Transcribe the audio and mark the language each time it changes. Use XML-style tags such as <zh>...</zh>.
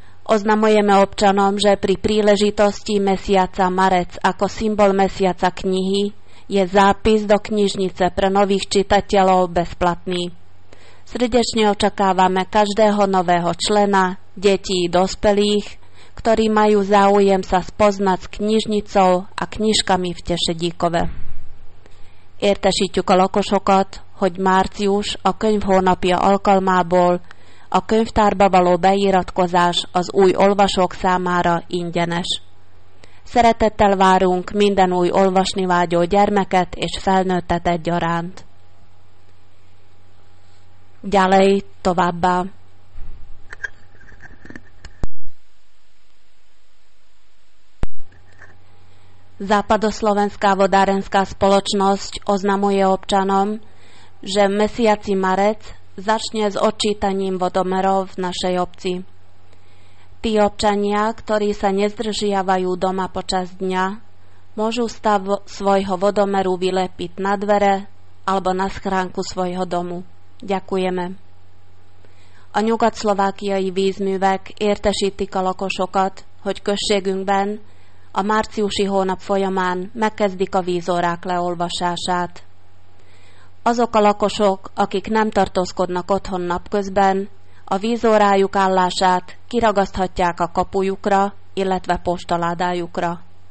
<sk>Oznamujeme občanom, že pri príležitosti mesiaca Marec ako symbol mesiaca knihy je zápis do knižnice pre nových čitateľov bezplatný. Srdečne očakávame každého nového člena, detí i dospelých, ktorí majú záujem sa spoznať s knižnicou a knižkami v Tešedíkove.</sk> <hu>Értesítjük a lakosokat, hogy március a könyvhónapja alkalmából a könyvtárba való beiratkozás az új olvasók számára ingyenes. Szeretettel várunk minden új olvasni vágyó gyermeket és felnőttet egyaránt.</hu> <sk>Ďalej</sk> <hu>továbbá.</hu> <sk>Západoslovenská vodárenská spoločnosť oznamuje občanom, že mesiaci marec začne s odčítaním vodomerov v našej obci. Tí občania, ktorí sa nezdržiavajú doma počas dňa, môžu stav svojho vodomeru vylepiť na dvere alebo na schránku svojho domu. Ďakujeme.</sk> <hu>A nyugat-szlovákiai vízművek értesítik a lakosokat, hogy községünkben a márciusi hónap folyamán megkezdik a vízórák leolvasását. Azok a lakosok, akik nem tartózkodnak otthon napközben, a vízórájuk állását kiragaszthatják a kapujukra, illetve postaládájukra.</hu>